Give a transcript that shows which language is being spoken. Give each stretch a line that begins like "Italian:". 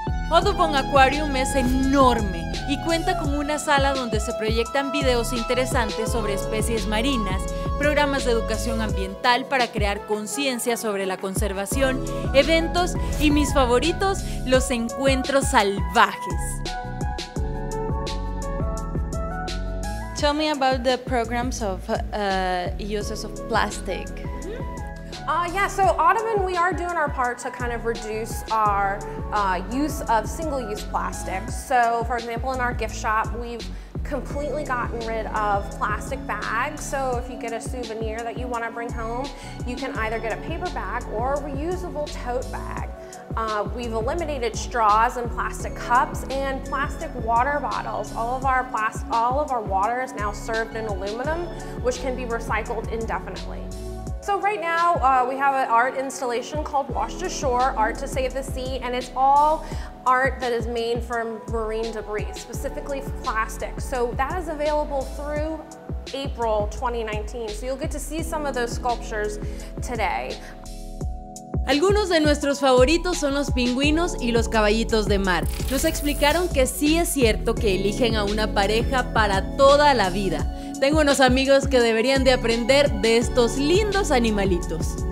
Spanish: Audubon Aquarium es enorme y cuenta con una sala donde se proyectan videos interesantes sobre especies marinas, programas de educación ambiental para crear conciencia sobre la conservación, eventos y, mis favoritos, los encuentros salvajes.
English: Tell me about the programs of uses of plastic. So Audubon, we are doing our part to kind of reduce our use of single-use plastic. So, for example, in our gift shop, we've completely gotten rid of plastic bags. So if you get a souvenir that you want to bring home, you can either get a paper bag or a reusable tote bag. We've eliminated straws and plastic cups and plastic water bottles. All of our water is now served in aluminum, which can be recycled indefinitely. So right now, we have an art installation called Washed Ashore, Art to Save the Sea, and it's all art that is made from marine debris, specifically plastic. So that is available through April 2019. So you'll get to see some of those sculptures today.
Spanish: Algunos de nuestros favoritos son los pingüinos y los caballitos de mar. Nos explicaron que sí es cierto que eligen a una pareja para toda la vida. Tengo unos amigos que deberían de aprender de estos lindos animalitos.